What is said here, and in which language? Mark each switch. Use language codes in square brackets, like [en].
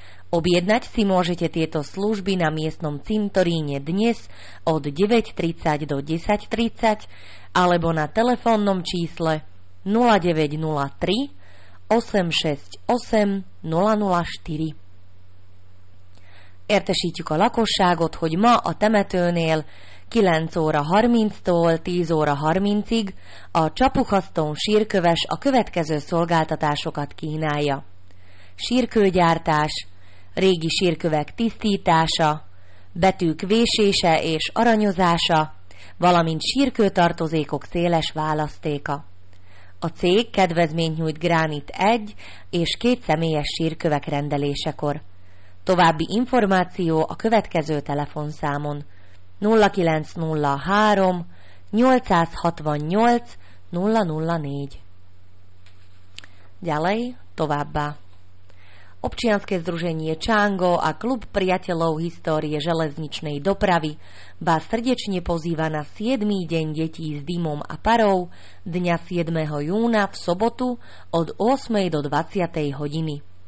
[sk] Objednať si môžete tieto služby na miestnom cintoríne dnes od 9.30 do 10.30 alebo na telefónnom čísle 0903 868 004. [hu] Értesítjük a lakosságot, hogy ma a temetőnél 9 óra 30-tól 10 óra 30-ig a Csapucha Stone sírköves a következő szolgáltatásokat kínálja. Sírkőgyártás, régi sírkövek tisztítása, betűk vésése és aranyozása, valamint sírkőtartozékok széles választéka. A cég kedvezményt nyújt Granit 1 és 2 személyes sírkövek rendelésekor. További információ a következő telefonszámon 0903 868 004. [sk] Ďalej [hu] továbbá. [sk] Občianske združenie Čango a klub priateľov histórie železničnej dopravy vás srdečne pozýva na 7. deň detí s dymom a parou dňa 7. júna v sobotu od 8. do 20. hodiny.